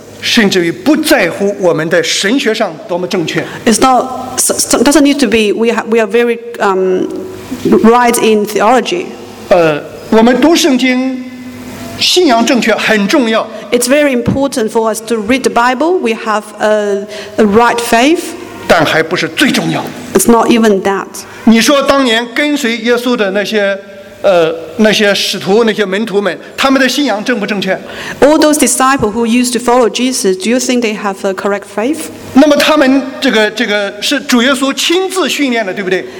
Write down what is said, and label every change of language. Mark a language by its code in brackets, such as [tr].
[zh] 甚至于不在乎我们的神学上多么正确。 [en] It's not doesn't need to be we are very right in theology. [zh] 我们读圣经。信仰正确很重要。 [en] It's very important for us to read the Bible. We have a right faith. [zh] 但还不是最重要。 [en] It's not even that. [zh] 你说当年跟随耶稣的那些那些使徒那些门徒们他们的信仰正不正确 [en] All those disciples who used to follow Jesus do you think they have a correct faith [zh] 那么他们这个是主耶稣亲自训练的对不对